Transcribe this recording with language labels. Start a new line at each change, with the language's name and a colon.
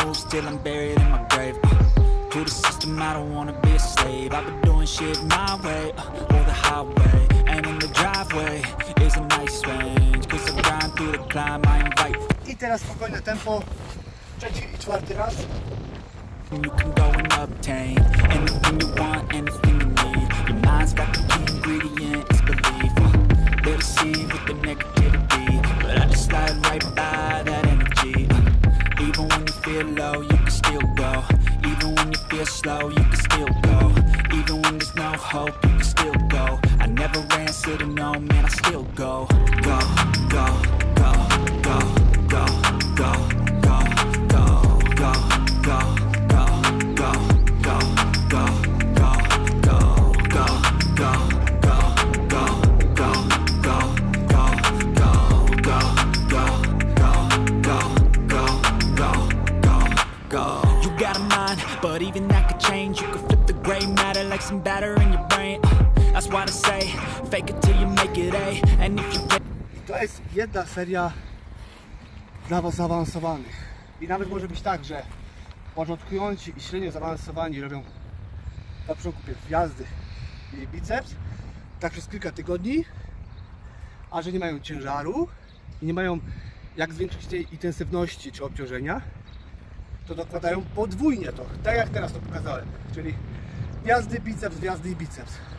English: Till I'm buried in my grave. To the system, I don't wanna be a slave. I've been doing shit my way, or the highway. And in the driveway is a nice range. Cause I grind through the climb, I invite.
Polish: I teraz spokojne tempo, trzeci i czwarty raz.
English: And you can go and obtain anything you want, anything you need. Your mind's got the key ingredient, it's belief. They'll see with the negativity, but I just slide right by that energy. Even when you feel low, you can still go. Even when you feel slow, you can still go. Even when there's no hope, you can still go. I never answer to no, man, I still go. Go, go, go, go, go, go, go, go, go, go, go, go, go, go, go, go, go, go, go, go, go, go, go, go, go, go, go, go, go, go, go, go. You got a mind, but even that could change. You could flip the gray matter like some batter in your brain. That's why they say, fake it till you make it, eh? And if you get.
Polish: To jest jedna seria dla was zaawansowanych. I nawet może być tak, że początkujący i średnio zaawansowani robią na początku gwiazdy i biceps tak przez kilka tygodni, a że nie mają ciężaru i nie mają jak zwiększyć tej intensywności czy obciążenia, to dokładają podwójnie to, tak jak teraz to pokazałem, czyli gwiazdy i biceps.